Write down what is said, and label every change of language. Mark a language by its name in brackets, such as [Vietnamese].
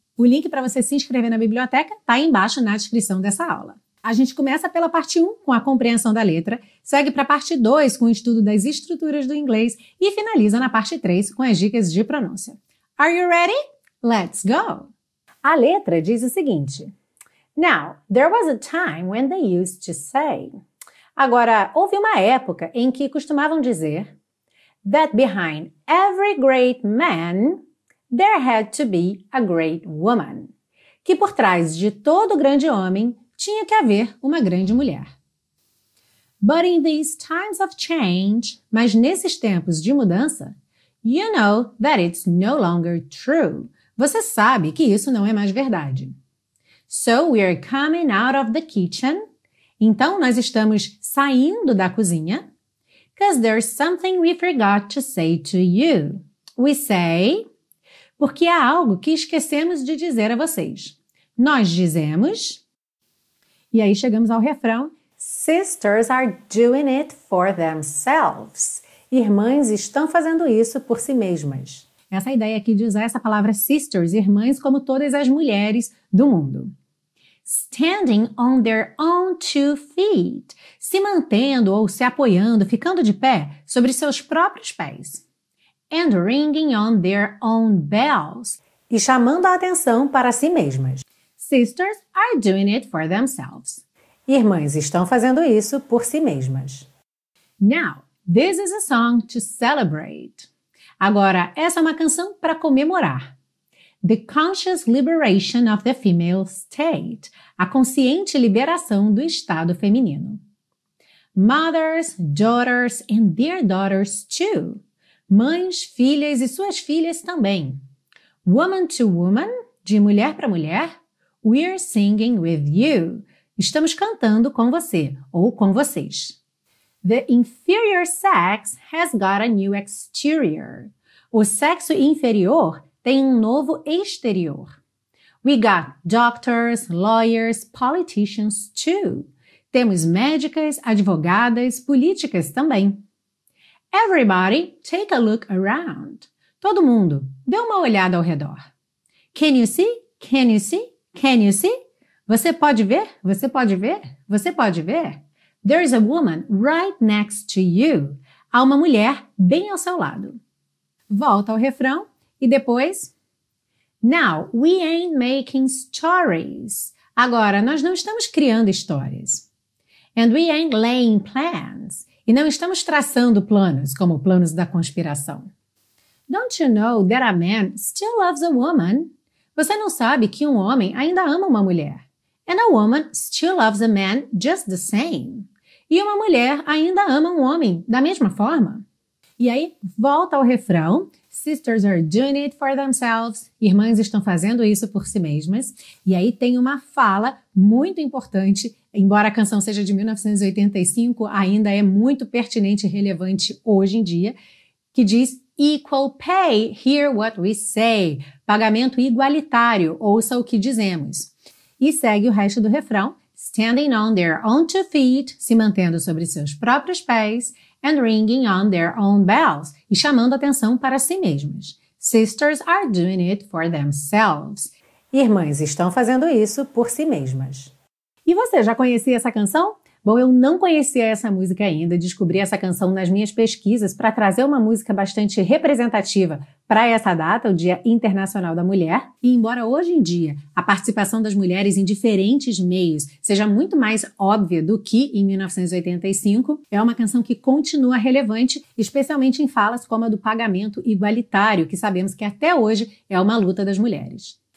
[Portuguese] O link para você se inscrever na biblioteca está aí embaixo na descrição dessa aula. A gente começa pela parte 1, com a compreensão da letra, segue para a parte 2, com o estudo das estruturas do inglês e finaliza na parte 3, com as dicas de pronúncia. [English] Are you ready? Let's go! [Portuguese] A letra diz o seguinte... [English] Now, there was a time when they used to say... [Portuguese] Agora, houve uma época em que costumavam dizer... [English] That behind every great man, there had to be a great woman. [Portuguese] Que por trás de todo grande homem, tinha que haver uma grande mulher. [English] But in these times of change, [Portuguese] mas nesses tempos de mudança... [English] You know that it's no longer true. [Portuguese] Você sabe que isso não é mais verdade. [English] So we are coming out of the kitchen. [Portuguese] Então nós estamos saindo da cozinha. [English] Because there's something we forgot to say to you. We say. [Portuguese] Porque há algo que esquecemos de dizer a vocês. Nós dizemos. E aí chegamos ao refrão. [English] Sisters are doing it for themselves. [Portuguese] Irmãs estão fazendo isso por si mesmas. Essa ideia aqui de usar essa palavra sisters, irmãs, como todas as mulheres do mundo. [English] Standing on their own two feet. [Portuguese] Se mantendo ou se apoiando, ficando de pé sobre seus próprios pés. [English] And ringing on their own bells. [Portuguese] E chamando a atenção para si mesmas. [English] Sisters are doing it for themselves. [Portuguese] Irmãs estão fazendo isso por si mesmas. [English] Now, this is a song to celebrate. [Portuguese] Agora, essa é uma canção para comemorar. [English] The conscious liberation of the female state. [Portuguese] A consciente liberação do estado feminino. [English] Mothers, daughters, and their daughters too. [Portuguese] Mães, filhas e suas filhas também. [English] Woman to woman, [Portuguese] de mulher para mulher. [English] We're singing with you. [Portuguese] Estamos cantando com você ou com vocês. [English] The inferior sex has got a new exterior. [Portuguese] O sexo inferior tem um novo exterior. [English] We got doctors, lawyers, politicians too. [Portuguese] Temos médicas, advogadas, políticas também. [English] Everybody, take a look around. [Portuguese] Todo mundo, dê uma olhada ao redor. [English] Can you see? Can you see? Can you see? [Portuguese] Você pode ver? Você pode ver? [English] Você pode ver? There is a woman right next to you. [Portuguese] Há uma mulher bem ao seu lado. Volta ao refrão e depois... [English] Now, we ain't making stories. [Portuguese] Agora, nós não estamos criando histórias. [English] And we ain't laying plans. [Portuguese] E não estamos traçando planos, como planos da conspiração. [English] Don't you know that a man still loves a woman? [Portuguese] Você não sabe que um homem ainda ama uma mulher. [English] And a woman still loves a man just the same. [Portuguese] E uma mulher ainda ama um homem, da mesma forma. E aí, volta ao refrão. [English] Sisters are doing it for themselves. [Portuguese] Irmãs estão fazendo isso por si mesmas. E aí tem uma fala muito importante. Embora a canção seja de 1985, ainda é muito pertinente e relevante hoje em dia. Que diz, [English] equal pay, hear what we say. [Portuguese] Pagamento igualitário, ouça o que dizemos. E segue o resto do refrão. [English] Standing on their own two feet, [Portuguese] se mantendo sobre seus próprios pés, [English] and ringing on their own bells, [Portuguese] e chamando atenção para si mesmas. [English] Sisters are doing it for themselves. [Portuguese] Irmãs estão fazendo isso por si mesmas. E você, já conhecia essa canção? Bom, eu não conhecia essa música ainda, descobri essa canção nas minhas pesquisas para trazer uma música bastante representativa para essa data, o Dia Internacional da Mulher. E embora hoje em dia a participação das mulheres em diferentes meios seja muito mais óbvia do que em 1985, é uma canção que continua relevante, especialmente em falas como a do pagamento igualitário, que sabemos que até hoje é uma luta das mulheres.